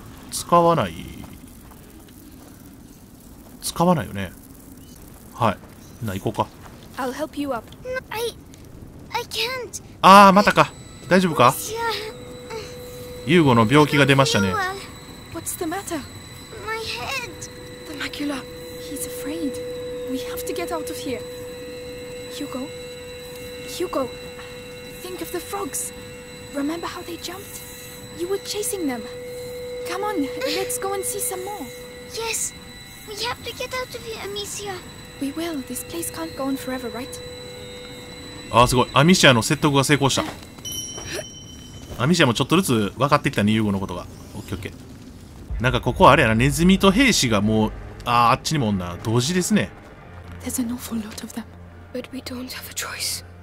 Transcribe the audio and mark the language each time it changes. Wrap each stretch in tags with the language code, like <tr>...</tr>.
<ja>使わない、使わないよね。はい、な、行こうか。</ja> <en>I'll help you up. I can't.</en> <ja>あー、またか。大丈夫か。ユーゴの病気が出ましたね。</ja> <en>What's the matter? My head. The macula. He's afraid. We have to get out of here. Hugo? Hugo, think of the frogs. Remember how they jumped? You were chasing them. Come on, let's go and see some more. Yes, we have to get out of here, Amicia. We will. This place can't go on forever, right?</en> <ja>ああ、すごい。アミシアの説得が成功した。アミシアもちょっとずつ分かってきたね、ユーゴのことが。オッケーオッケー。なんかここはあれやな、ネズミと兵士がもう、ああ、あっちにもおんな。同時ですね。</ja> <en>There's an awful lot of them, but we don't have a choice.</en>